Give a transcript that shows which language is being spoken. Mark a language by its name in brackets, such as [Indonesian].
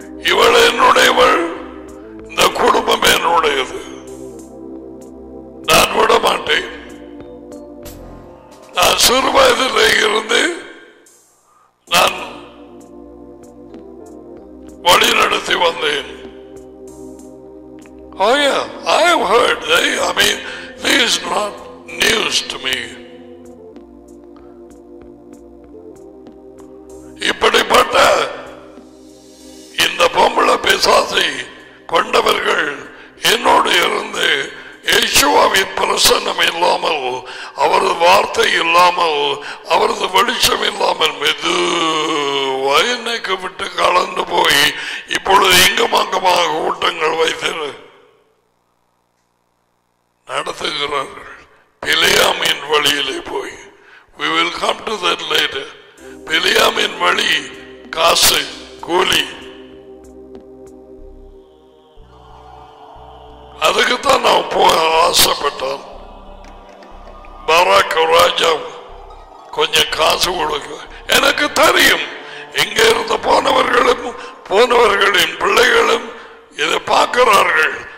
[Tamil] இவள் என்னுடையவள், இந்த குடும்பம் என்னுடையது. நான் விட மாட்டேன். நான் சிறு வயதில் இருந்து நான் வழி நடத்தி வந்தேன். [English] Oh yeah, I have heard they, I mean, this is not news to me. [Tamil] இப்படிப்பட்ட இந்த பொம்பளை பிசாசை கொண்டவர்கள் என்னோடு இருந்து யேசுவ அவருடைய பிரசன்னம் இல்லாமல், அவரது வார்த்தை இல்லாமல், அவரது வெளிச்சம் இல்லாமல் மெது வயனைக்கு விட்டு கலந்து போய் இப்பொழுது இங்கும் அங்கமாக கூட்டங்கள் வைத்து நடத்துகிறார்கள். பிலியாமின் வழியிலே போய், [English] we will come to that later. [Tamil] பிலியாமின் வழி காசு கூலி, அதுக்குத்தான் நான் போக ஆசைப்பட்டான். பராக்கு ராஜா கொஞ்சம் காசு கொடுக்க எனக்கு தெரியும், இங்க இருந்து போனவர்களும் போனவர்களின் பிள்ளைகளும் இதை பார்க்கிறார்கள்.